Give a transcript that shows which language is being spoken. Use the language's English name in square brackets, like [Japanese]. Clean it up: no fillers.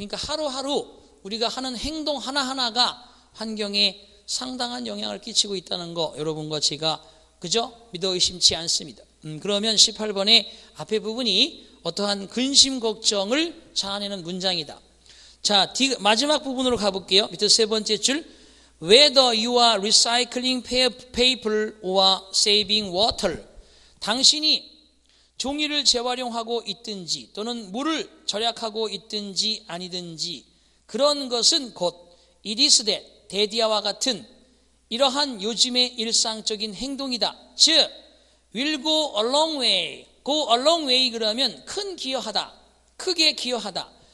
[Korean] 그러니까 하루하루 우리가 하는 행동 하나하나가 환경에 상당한 영향을 끼치고 있다는 거 여러분과 제가 그죠? 믿어 의심치 않습니다. 그러면 18번의 앞에 부분이 어떠한 근심 걱정을 자아내는 문장이다. 자, 마지막 부분으로 가볼게요. 밑에 세 번째 줄. [English] Whether you are recycling paper or saving water. [Korean] 당신이 종이를 재활용하고 있든지 또는 물을 절약하고 있든지 아니든지 그런 것은 곧 [English] it is that, [Korean] 대디아와 같은 이러한 요즘의 일상적인 행동이다. 즉, [English] will go a long way. go a long way [Korean] 그러면 큰 기여하다. 크게 기여하다.